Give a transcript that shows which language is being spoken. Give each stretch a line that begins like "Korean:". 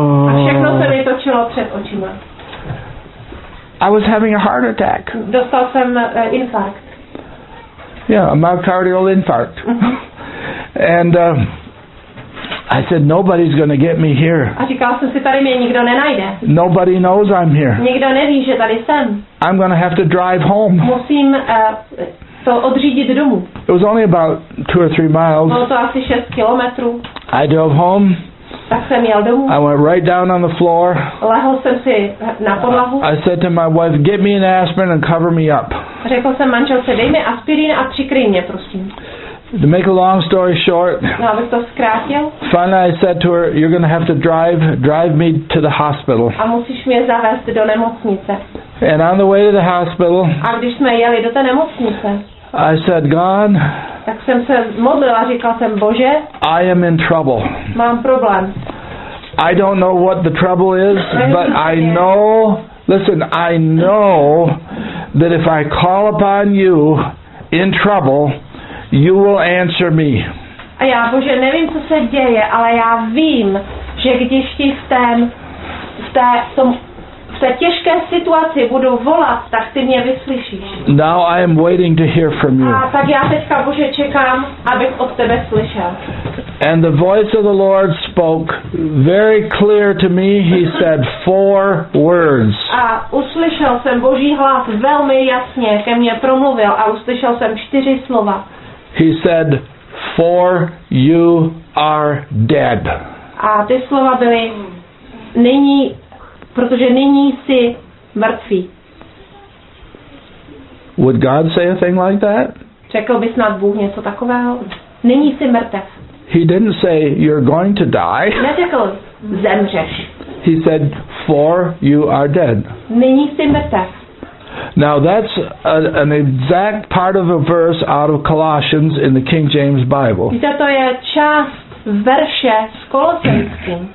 Czech: A všechno se mi točilo před očima.
English: I was having a heart attack.
Czech: Dostal jsem infarkt.
English: Yeah, a myocardial infarct. And I said, nobody's going to get me here.
Czech: A říkal jsem si, tady mě nikdo nenajde.
English: Nobody knows I'm here.
Czech: Nikdo neví, že tady jsem.
English: I'm going to have to drive home.
Czech: Musím to odřídit domů.
English: It was only about 2 or 3 miles.
Czech: Bylo to asi 6 kilometrů.
English: I drove home.
Czech: Tak jsem jel domů.
English: I went right down on the floor.
Czech: Lehl jsem si na podlahu.
English: I said to my wife, get me an aspirin and cover me up.
Czech: Řekl jsem manželce, dej mi aspirin a přikryj mě, prosím.
English: To make a long story short,
Czech: no, abych to zkrátil,
English: finally I said to her, you're going to have to drive me to the hospital.
Czech: A musíš mě zavést do nemocnice.
English: And on the way to the hospital,
Czech: a když jsme jeli do té nemocnice,
English: I said, God,
Czech: tak jsem se modlil a říkal jsem, Bože,
English: I am in trouble.
Czech: Mám problém.
English: I don't know what the trouble is, but I know, listen, I know that if I call upon you in trouble, you will answer me.
Czech: A já, Bože, nevím, co se děje, ale já vím, že když ti v té těžké situaci budu volat, tak ty mě vyslyšíš.
English: Now I am waiting to hear from you.
Czech: A tak já teďka, Bože, čekám, abych od tebe slyšel.
English: And the voice of the Lord spoke very clear to me. He said 4 words.
Czech: A uslyšel jsem Boží hlas velmi jasně, ke mně promluvil a uslyšel jsem 4 slova.
English: He said, for you are dead.
Czech: A ty slova byly, nyní, protože nyní jsi mrtvý.
English: Would God say a thing like that?
Czech: Řekl by snad Bůh něco takového? Nyní jsi mrtev.
English: He didn't say, you're going to die.
Czech: Neřekl, zemřeš.
English: He said, for you are dead.
Czech: Nyní jsi mrtev.
English: Now that's an exact part of a verse out of Colossians in the King James Bible.
Czech: Víte, to je část verše z Kolosenským.